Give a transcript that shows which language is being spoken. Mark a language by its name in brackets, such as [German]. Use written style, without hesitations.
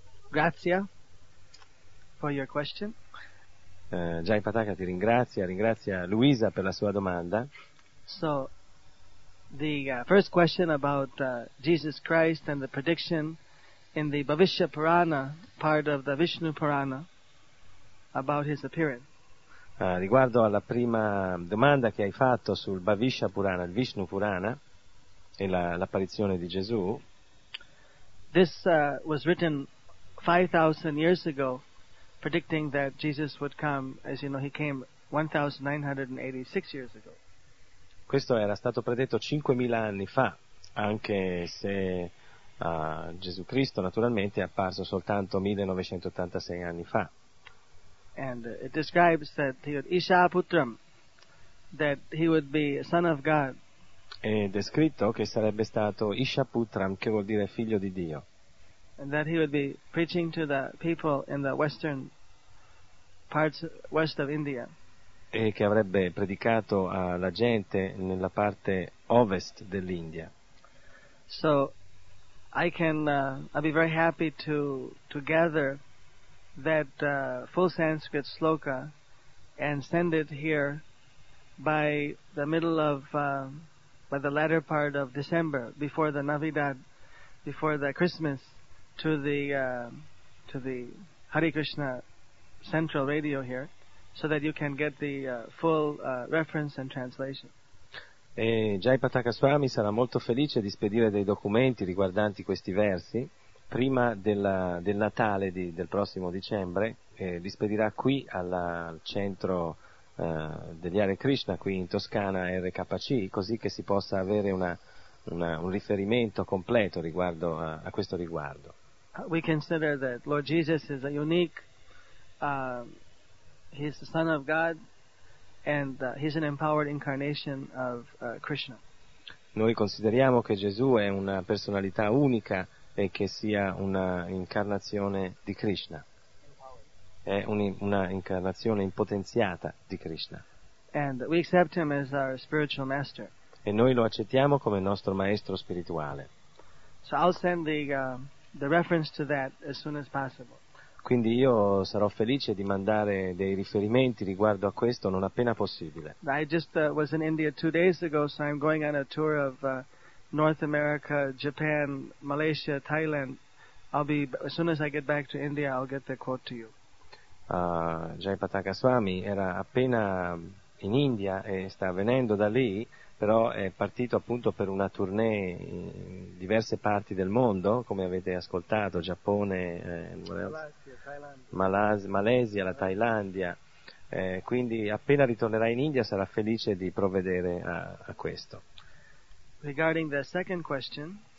[English] Grazie for your question. [Italian] Jai Pataka ti ringrazia Luisa per la sua domanda. [English] So the first question about Jesus Christ and the prediction in the Bhavishya Purana part of the Vishnu Purana about his appearance. [Italian] Riguardo alla prima domanda che hai fatto sul Bhavishya Purana, il Vishnu Purana e l'apparizione di Gesù. [English] This was written 5000 years ago, predicting that Jesus would come, as you know, he came 1986 years ago. [Italian] Questo era stato predetto 5000 anni fa, anche se Gesù Cristo naturalmente è apparso soltanto 1986 anni fa. [English] And it describes that he would Isha Putram, that he would be a son of God. [Italian] Ed è scritto che sarebbe stato Isha Putram, che vuol dire figlio di Dio. [English] And that he would be preaching to the people in the western parts west of India. [Italian] E che avrebbe predicato alla gente nella parte ovest dell'India. [English] So I can I'll be very happy to gather that full Sanskrit sloka and send it here by the middle of by the latter part of December, before the Navidad, before the Christmas, to the Hare Krishna Central Radio here, so that you can get the full reference and translation. [Italian] E Jai Pataka Swami sarà molto felice di spedire dei documenti riguardanti questi versi prima del Natale del prossimo dicembre, li spedirà qui al centro degli Hare Krishna, qui in Toscana, RKC, così che si possa avere un riferimento completo riguardo a questo riguardo. [English] We consider that Lord Jesus is a unique, he's the Son of God, and he's an empowered incarnation of Krishna. [Italian] Noi consideriamo che Gesù è una personalità unica e che sia una incarnazione di Krishna. È una incarnazione impotenziata di Krishna. [English] And we accept him as our spiritual master. [Italian] E noi lo accettiamo come nostro maestro spirituale. [English] So I'll send the reference to that as soon as possible. [Italian] Quindi io sarò felice di mandare dei riferimenti riguardo a questo non appena possibile. [English] I just was in India 2 days ago, so I'm going on a tour of North America, Japan, Malaysia, Thailand. As soon as I get back to India, I'll get the quote to you. [Italian] Jai Pataka Swami era appena in India e sta venendo da lì, però è partito appunto per una tournée in diverse parti del mondo, come avete ascoltato, Giappone, Malesia, la Thailandia. Quindi appena ritornerà in India sarà felice di provvedere a questo. [English] Regarding the second question,